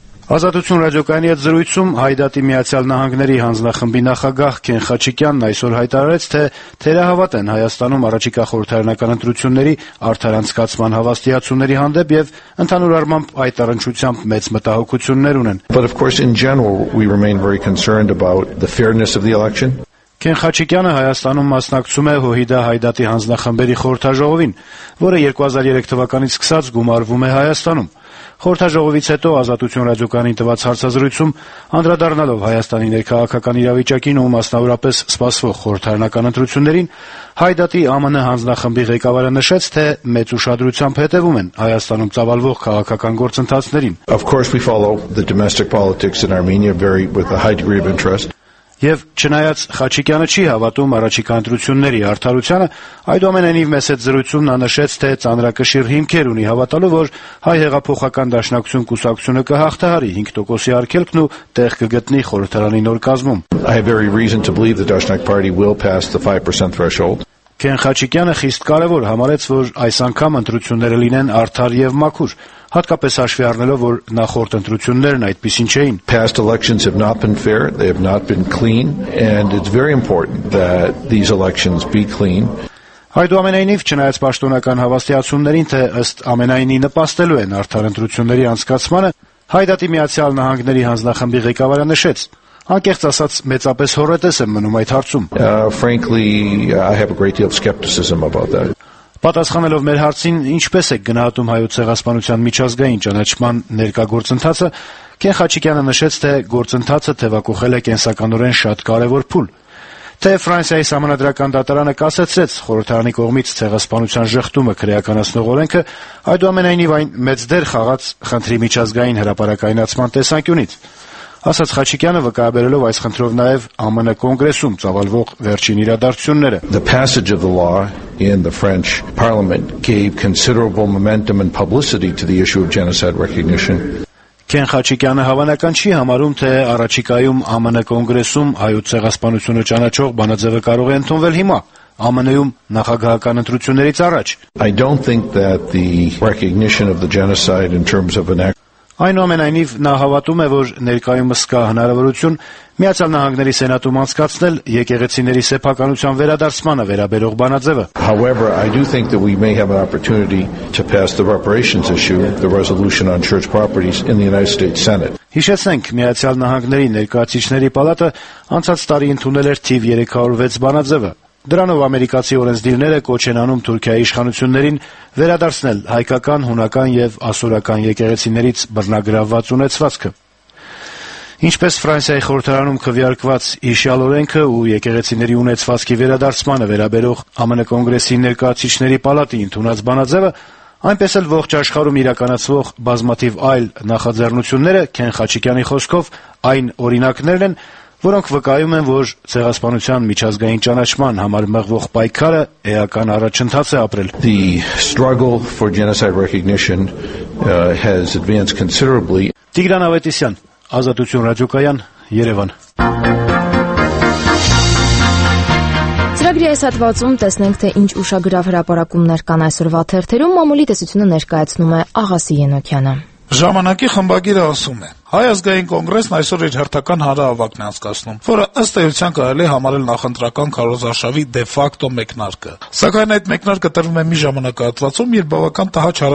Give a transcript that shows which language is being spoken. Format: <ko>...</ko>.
<hy>Ազատություն ռադիոկայանի հետ զրույցում Հայդատի Միացյալ Նահանգների հանձնախմբի նախագահ Քեն Խաչիկյանն այսօր հայտարարեց, թե թերահավատ են Հայաստանում առաջիկա խորհրդարանական ընտրությունների արդար անցկացման հավաստիացումների հանդեպ եւ ընդհանուր առմամբ այդ առնչությամբ մեծ մտահոգություններ ունեն։</hy> <en>But of course in general we remain very concerned about the fairness of the election.</en> <hy>Քեն Խաչիկյանը Հայաստանում մասնակցում է Հոհիդա Հայդատի հանձնախմբերի խորհրդաժողովին, որը 2003 թվականից սկսած գումարվում է Հայաստանում։ Խորհրդաժողովից հետո Ազատություն ռադիոկայանին տված հարցազրույցում, անդրադառնալով Հայաստանի ներքաղաքական իրավիճակին ու մասնավորապես սպասվող խորհրդարանական ընտրություններին, Հայդատի ԱՄՆ հանձնախմբի ղեկավարը նշեց, թե մեծ ուշադրությամբ հետևում են Հայաստանում ծավալվող քաղաքական գործընթացներին։</hy> <en>Of course we follow the domestic politics in Armenia very with a high degree of interest.</en> <hy>Եվ չնայած Խաչիկյանը չի հավատում առաջիկա ընտրությունների արդարությանը, այդուամենայնիվ մեզ հետ զրույցում նա նշեց, թե ծանրակշիռ հիմքեր ունի հավատալու, որ հայ հեղափոխական դաշնակցություն կուսակցությունը կհաղթահարի 5% արգելքն ու տեղ կգտնի խորհրդարանի նոր կազմում։</hy> <en>I have every reason to believe the Dashnak party will pass the 5% threshold.</en> <hy>Քեն Խաչիկյանը խիստ կարևոր համարեց, որ այս անգամ ընտրությունները լինեն արդար եւ մաքուր, հատկապես հաշվի առնելով, որ նախորդ ընտրություններն այդպեսին չէին։</hy> <en>Past elections have not been fair, they have not been clean, and it's very important that these elections be clean.</en> <hy>Այդուամենայնիվ, չնայած պաշտոնական հավաստիացումներին, թե ըստ ամենայնի նպաստելու են արդար ընտրությունների անցկացմանը, Հայդատի Միացյալ Նահանգների հանձնախմբի ղեկավարը նշեց, անկեղծ ասած, մեծապես հորետես եմ մնում այդ հարցում։</hy> <en>Frankly, I have a great deal of skepticism about that.</en> <hy>Պատասխանելով մեր հարցին, ինչպես է գնահատում հայոց ցեղասպանության միջազգային ճանաչման ներկայացուցիչը, Քեն Խաչիկյանը նշեց, թե գործընթացը թևակուխել է կենսականորեն շատ կարևոր փուլ։ Թե Ֆրանսիայի համանդրական դատարանը կասեցրեց խորհրդարանի կողմից ցեղասպանության ժխտումը քրեականացնող օրենքը, այդուամենայնիվ այն մեծ դեր խաղաց խնդրի միջազգային հրապարակայնացման տեսանկյունից։ Ասաց Խաչիկյանը, վկայաբերելով այս խնդրով նաև ԱՄՆ կոնգրեսում ծավալվող վերջին իրադարձությունները.</hy> <en>The passage of the law in the French parliament gave considerable momentum and publicity to the issue of genocide recognition.</en> <hy>Քեն Խաչիկյանը հավանական չի համարում, թե առաջիկայում ԱՄՆ կոնգրեսում հայոց ցեղասպանությունը ճանաչող բանաձևը կարող է ընդունվել հիմա, ԱՄՆ-ում նախագահական ընտրություններից առաջ.</hy> <en>I don't think that the recognition of the genocide in terms of an act.</en> <hy>Այնուամենայնիվ նա հավատում է, որ ներկայումս կա հնարավորություն Միացյալ Նահանգների Սենատում անցկացնել եկեղեցիների սեփականության վերադարձմանը վերաբերող բանաձևը.</hy> <en>However, I do think that we may have an opportunity to pass the reparations issue, the resolution on church properties in the United States Senate.</en> <hy>Հիշեցնենք, Միացյալ Նահանգների ներկայացիչների պալատը անցած տարի ընդունել էր թիվ 306 բանաձևը։ Դրանով ամերիկացի օրենսդիրները կոչ են անում Թուրքիայի իշխանություններին վերադարձնել հայկական, հունական եւ ասորական եկեղեցիներից բռնագրաված ունեցվածքը։ Ինչպես Ֆրանսիայի խորհրդարանում քվեարկված հիշյալ օրենքը ու եկեղեցիների ունեցվածքի վերադարձմանը վերաբերող ԱՄՆ կոնգրեսի ներկայացիչների պալատի ընդունած բանաձևը, այնպես էլ ողջ աշխարհում իրականացվող բազմաթիվ այլ նախաձեռնությունները Քեն Խաչիկյանի խոսքով այն օրինակներն են, որոնք վկայում են, որ ցեղասպանության միջազգային ճանաչման համար մեղվող պայքարը էական առաջընթաց է ապրել։</hy> <en>The struggle for genocide recognition has advanced considerably.</en> <hy>Տիգրան Ավետիսյան, Ազատություն ռադիոկայան, Երևան։ Ծրագրի այս հատվածում տեսնենք, թե ինչ ուշագրավ հրապարակումներ կան այսօրվա թերթերում, մամուլի տեսությունը ներկայացնում է Աղասի Ենոքյանը։ Ժամանակի խմբագիրը ասում է. Հայ ազգային կոնգրեսն այսօր իր հերթական հանրահավաքն է անցկացնում, որը ըստ էության կարելի համարել նախընտրական քարոզարշավի դեֆակտո մեկնարկը։ Սակայն այդ մեկնարկը տրվում է մի ժամանակահատվածում, երբ բավական տհաճ</hy>